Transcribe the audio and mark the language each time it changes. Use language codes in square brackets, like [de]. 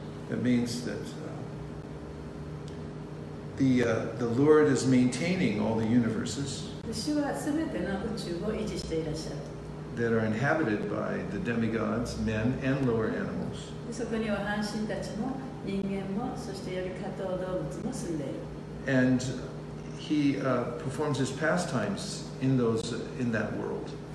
[en] It means that the Lord is maintaining all the universes. [ja] 主はすべての宇宙を維持していらっしゃる。 [en] That are inhabited by the demigods, men and lower animals. [ja] そこには半身たちも人間も、そしてより下等動物も住んでいる。 [en] And He performs his pastimes in those in that world.